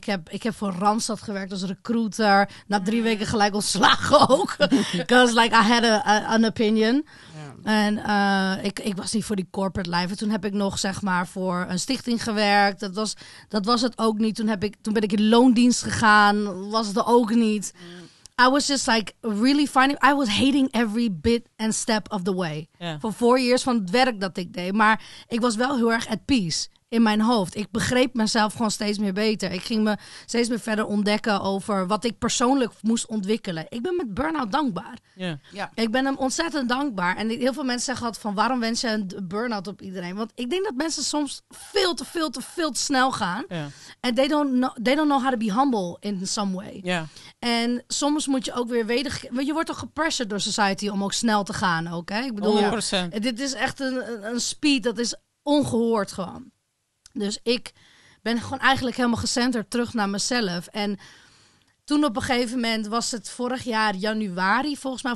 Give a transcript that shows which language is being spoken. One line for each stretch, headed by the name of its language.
Dutch: Ik heb voor Randstad gewerkt als recruiter. Na 3 weken gelijk ontslagen ook.
English: Because like I had an opinion.
Dutch: En ik was niet voor die corporate life. En toen heb ik nog zeg maar voor een stichting gewerkt. Dat was het ook niet. Toen ben ik in loondienst gegaan. Was het ook niet.
English: I was just like really finding. I was hating every bit and step of the way. Yeah.
Dutch: Voor 4 jaar van het werk dat ik deed. Maar ik was wel heel erg
English: at peace
Dutch: in mijn hoofd. Ik begreep mezelf gewoon steeds meer beter. Ik ging me steeds meer verder ontdekken over wat ik persoonlijk moest ontwikkelen. Ik ben met burn-out dankbaar. Yeah. Yeah. Ik ben hem ontzettend dankbaar. En heel veel mensen zeggen altijd van waarom wens je een burn-out op iedereen? Want ik denk dat mensen soms veel te snel gaan. Yeah.
English: And they don't know how to be humble in some way. Yeah.
Dutch: En soms moet je ook weer weten. Je wordt toch gepressured door society om ook snel te gaan ook. Hè? Ik bedoel, 100%. Ja, dit is echt een speed dat is ongehoord gewoon. Dus ik ben gewoon eigenlijk helemaal gecenterd terug naar mezelf. En toen op een gegeven moment was het vorig jaar januari volgens mij.